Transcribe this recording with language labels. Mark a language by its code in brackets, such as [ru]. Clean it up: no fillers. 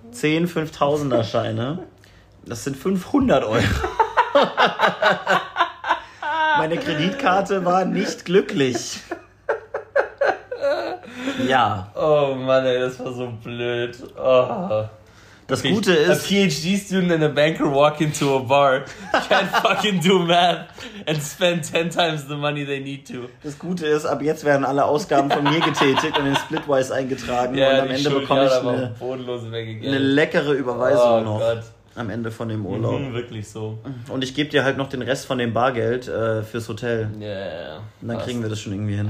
[de] 10 5.000er Scheine. Das sind 500 Euro. Meine Kreditkarte war nicht glücklich. Ja. Oh Mann, ey, das war so blöd. Oh. Das Gute ist... [en] A PhD-Student and a banker walk into a bar can't fucking do math and spend 10 times the money they need to. [de] Das Gute ist, ab jetzt werden alle Ausgaben von mir getätigt und in Splitwise eingetragen. Ja, und am Ende bekomme ich eine bodenlose Menge Geld. Eine leckere Überweisung noch. Gott. Am Ende von dem Urlaub. Wirklich so. Und ich gebe dir halt noch den Rest von dem Bargeld fürs Hotel. Ja, ja, ja. Und dann kriegen wir das schon irgendwie hin.